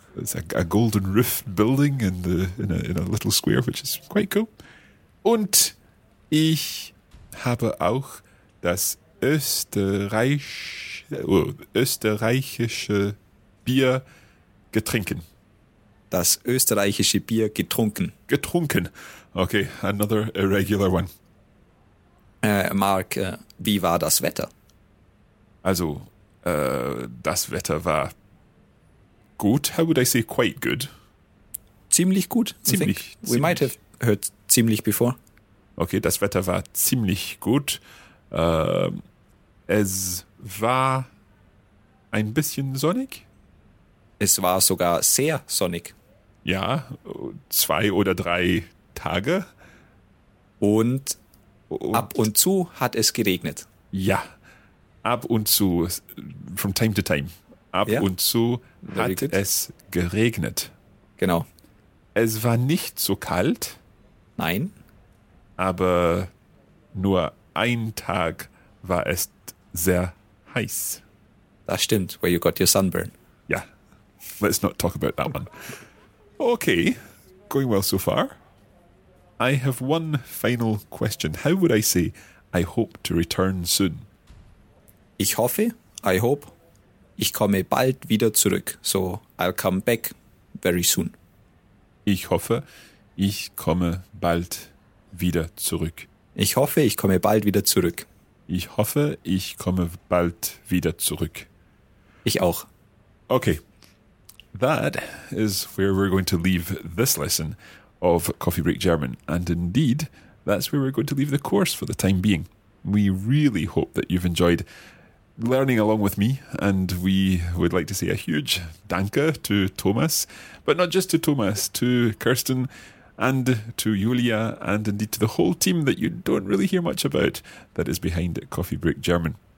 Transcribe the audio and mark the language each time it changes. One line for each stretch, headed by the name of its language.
English: It's a golden roof building in a little square, which is quite cool.
German: Und ich habe auch das österreichische Bier getrunken. Das österreichische Bier getrunken. Getrunken.
English: Okay, another irregular one.
German: Mark, wie war das Wetter? Also, das Wetter war gut.
English: How would I say quite good?
German: Ziemlich gut.
English: We might have heard ziemlich before.
German: Okay, das Wetter war ziemlich gut. Es war ein bisschen sonnig. Es war sogar sehr sonnig. Ja, zwei oder drei Tage. Und ab und zu hat es geregnet. Ja, ab und zu,
English: from time to time.
German: Ab und zu hat es geregnet. Genau. Es war nicht so kalt. Nein. Aber nur ein Tag war es sehr heiß. Das stimmt,
English: where you got your sunburn. Yeah, let's not talk about that one. Okay, going well so far. I have one final question. How would I say, I hope to return soon?
German: Ich hoffe,
English: I hope,
German: ich komme bald wieder zurück.
English: So, I'll come back very soon.
German: Ich hoffe, ich komme bald wieder zurück. Ich hoffe, ich komme bald wieder zurück. Ich hoffe, ich komme bald wieder zurück. Ich auch.
English: Okay, that is where we're going to leave this lesson of Coffee Break German. And indeed, that's where we're going to leave the course for the time being. We really hope that you've enjoyed learning along with me. And we would like to say a huge danke to Thomas, but not just to Thomas, to Kirsten and to Julia, and indeed to the whole team that you don't really hear much about that is behind Coffee Break German.